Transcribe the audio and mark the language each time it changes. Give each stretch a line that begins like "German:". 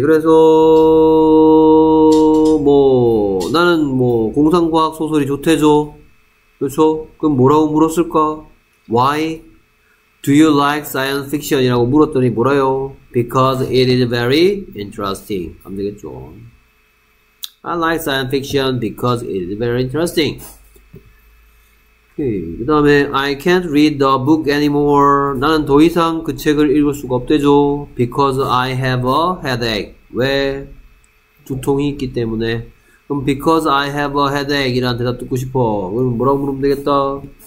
Korean: 그래서 뭐 나는 뭐 공상과학 소설이 좋대죠. 그렇죠? 그럼 뭐라고 물었을까?
English: Why do you like science fiction?
Korean: 이라고 물었더니 뭐라요?
English: Because it is very interesting.
Korean: 하면 되겠죠.
English: I like science fiction because it is very interesting.
Korean: 오케이. 그 다음에
English: I can't read the book anymore.
Korean: 나는 더 이상 그 책을 읽을 수가 없대죠.
English: Because I have a headache.
Korean: 왜? 두통이 있기 때문에. 그럼
English: because I have a headache
Korean: 이라는 대답 듣고 싶어. 그럼 뭐라고 물으면 되겠다?